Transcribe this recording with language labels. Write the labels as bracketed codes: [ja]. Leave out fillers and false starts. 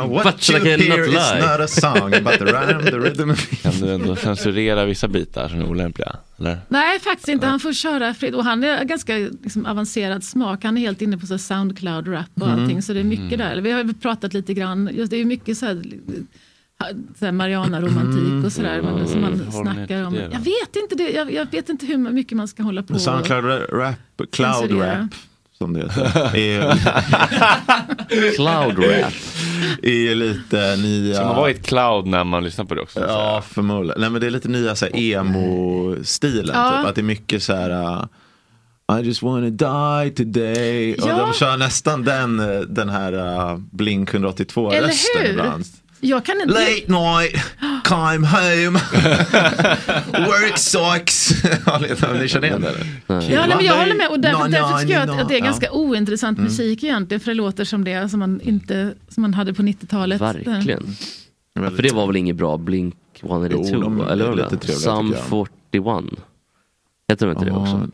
[en] What you hear is not a song, but the rhythm. [sv] Kan du ändå censurera vissa bitar som är olämpliga? Eller? Nej, faktiskt inte. Han får köra fritt. Och han är ganska liksom, avancerad smak. Han är helt inne på så SoundCloud-rap och allting. Så det är mycket där. Vi har pratat lite grann. Just, det är mycket så här... Mariana-romantik och sådär som man snackar om. Jag vet inte det. Jag vet inte hur mycket man ska hålla på. Cloud rap som det heter. Cloud rap är lite nya. Så man var i ett cloud när man lyssnar på det också. Ja, förmodligen. Nej, men det är lite nya så här, emo-stilen. Ja. Typ, att det är mycket så här. [en] I just wanna die today. [sv] Ja. Och de kör nästan den här Blink 182 rösten ibland. Jag kan inte... [en] Late night, come home, work sucks. [sv] Ni känner igen det? Ja, nej, men jag håller med. Och därför tycker jag att det är ganska ointressant musik egentligen. För det låter som det som man inte som man hade på 90-talet. Verkligen. Ja, för det var väl inget bra Blink 182? Eller lite trevligt, Sum 41. Heter de inte det också?